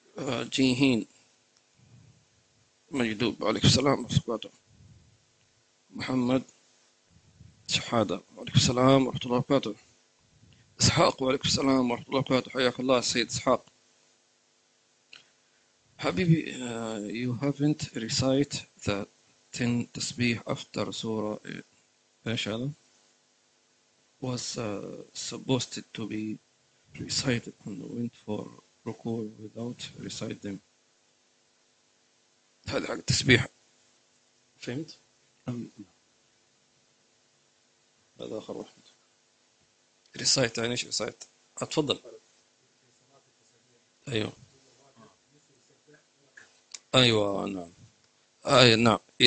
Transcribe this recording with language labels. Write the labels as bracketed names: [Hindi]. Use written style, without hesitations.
[Arabic] جيهين مجدوب، عليك السلام ورحمة الله، محمد سحادة، عليك السلام ورحمة الله وبركاته، إسحاق، وعليك السلام ورحمة الله وبركاته، حياك الله السيد إسحاق. [English] حبيبي، you haven't recite the 10 تسبيح after [Arabic] سورة إيش هذا؟ [English] was supposed to be recited and went for ركوع without recite them. [Arabic] هذا حق التسبيح، فهمت؟ هذا آخر واحد recite، يعني إيش recite؟ أتفضل. أيوه أيوة نعم.